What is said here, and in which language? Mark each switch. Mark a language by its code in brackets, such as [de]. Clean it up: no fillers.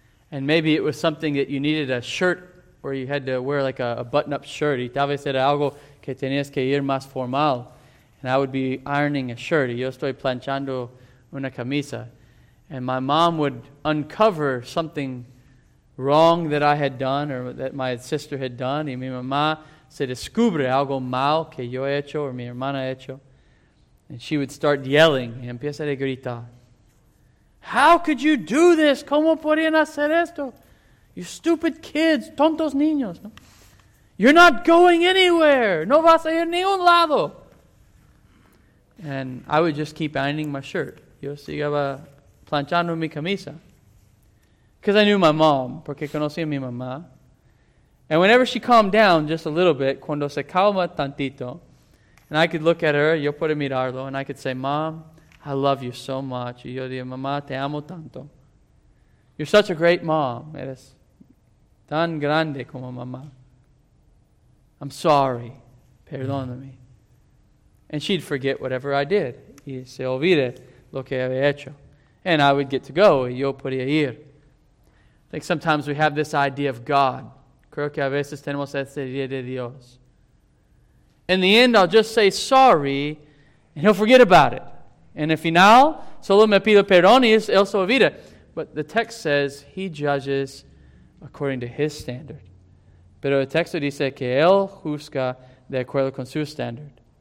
[en] And maybe it was something that you needed a shirt where you had to wear like a button-up shirt. [es] Y tal vez era algo que tenías que ir más formal. [en] And I would be ironing a shirt. [es] Y yo estoy planchando una camisa. [en] And my mom would uncover something wrong that I had done or that my sister had done. [es] Y mi mamá se descubre algo mal que yo he hecho o mi hermana he hecho. [en] And she would start yelling. [es] Y empieza a gritar. [en] How could you do this? [es] ¿Cómo podrían hacer esto? [en] You stupid kids, [es] tontos niños. No? [en] You're not going anywhere. [es] No vas a ir ni un lado. [en] And I would just keep ironing my shirt. [es] Yo sigaba planchando mi camisa. [en] Because I knew my mom, [es] porque conocí a mi mamá. [en] And whenever she calmed down just a little bit, [es] cuando se calma tantito, [en] and I could look at her, [es] yo puedo mirarlo, [en] and I could say, Mom, I love you so much. [es] Y yo dije, mamá, te amo tanto. [en] You're such a great mom. [es] Eres tan grande como mamá. [en] I'm sorry. [es] Perdóname. [en] And she'd forget whatever I did. [es] Y se olvide lo que había hecho. [en] And I would get to go. [es] Y yo podía ir. [en] I think sometimes we have this idea of God. [es] Creo que a veces tenemos esa idea de Dios. [en] In the end, I'll just say sorry, and he'll forget about it. [es] En el final, solo me pido perdón y él se olvida. [en] But the text says he judges according to his standard. [es] Pero el texto dice que él juzga de acuerdo con su standard.